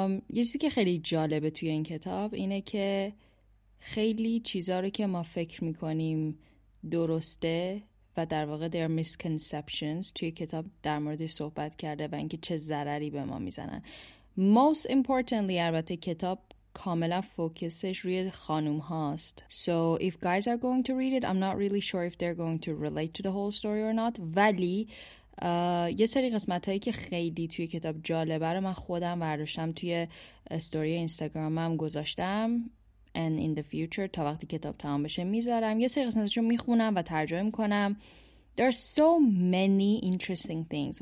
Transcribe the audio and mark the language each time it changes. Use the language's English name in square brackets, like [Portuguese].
[Persian] یه چیزی که خیلی جالبه توی این کتاب اینه که خیلی چیزا رو که ما فکر میکنیم درسته و در واقع [English] they are misconceptions [Persian] توی کتاب در موردش صحبت کرده و اینکه چه ضرری به ما میزنن. [English] Most importantly [Persian] البته کتاب کاملا فوکسش روی خانوم هاست. [English] So if guys are going to read it, I'm not really sure if they're going to relate to the whole story or not. [Persian] ولی یه سری قسمت هایی که خیلی توی کتاب جالبه رو من خودم برداشتم توی استوری اینستاگرامم گذاشتم. [English] And in the future [Persian] تا وقتی کتاب تمام بشه میذارم. یه سری قسمتش رو میخونم و ترجمه میکنم. [English] There are so many interesting things.